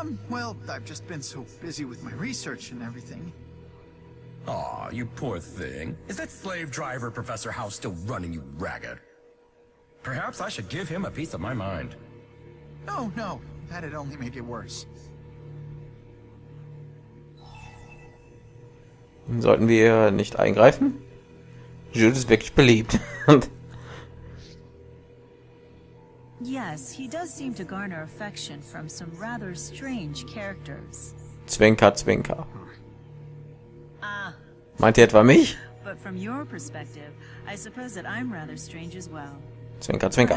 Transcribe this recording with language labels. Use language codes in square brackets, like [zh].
[en] Well, I've just been so busy with my research and everything. Aw, you poor thing. Is that slave driver Professor House still running you ragged? Perhaps I should give him a piece of my mind. Oh, no. That'd only make it worse. [de] Sollten wir nicht eingreifen? Jude ist wirklich beliebt. [en] Yes, he does seem to garner affection from some rather strange characters. [de] Zwinker, zwinker. Meint ihr etwa mich? [en] But from your perspective, I suppose that I'm rather strange as well. [de] Zwinker, zwinker.